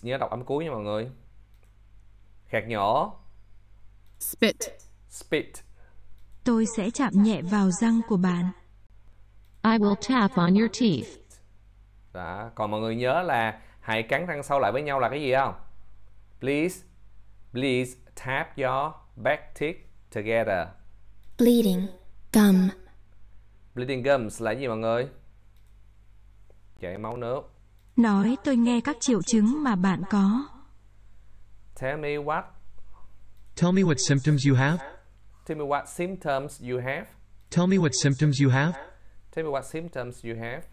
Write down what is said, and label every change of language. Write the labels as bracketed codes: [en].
[vi] Nhớ đọc âm cuối nha mọi người. Khạc nhỏ. [en] Spit. Spit. [vi] Tôi sẽ chạm nhẹ vào răng của bạn. [en] I will tap on your teeth. [vi] Đó. Còn mọi người nhớ là hãy cắn răng sau lại với nhau là cái gì không? [en] Please, please tap your back teeth together. Bleeding gum. Bleeding gums [vi] là gì mọi người? Chảy máu nước. Nói tôi nghe các triệu chứng mà bạn có. [en] Tell me what? Tell me what symptoms you have. Tell me what symptoms you have. Tell me what symptoms you have. Tell me what symptoms you have.